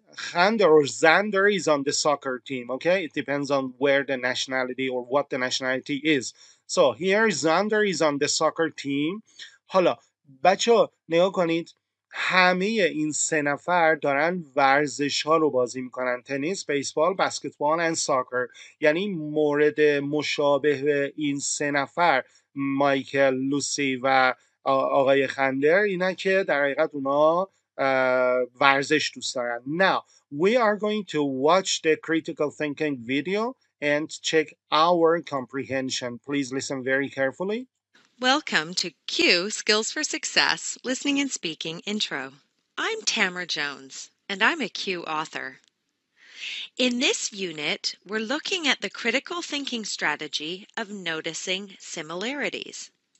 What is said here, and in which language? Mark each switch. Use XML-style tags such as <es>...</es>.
<en>Xander or Xander is on the soccer team. Okay, it depends on where the nationality or what the nationality is. So here Xander is on the soccer team.</en> <fa>حالا بچه ها نگاه کنید، همه این سه نفر دارن ورزش ها رو بازی میکنن، تنیس، بیسبال، بسکتبال و ساکر. یعنی مورد مشابه این سه نفر مایکل، لوسی و آقای خندر اینا که در حقیقت اونا ورزش دوست دارن.</fa> <en>Now we are going to watch the critical thinking video and check our comprehension. Please listen very carefully. Welcome to Q Skills for Success Listening and Speaking Intro. I'm Tamara Jones and I'm a Q author. In this unit, we're looking at the critical thinking strategy of noticing similarities.</en>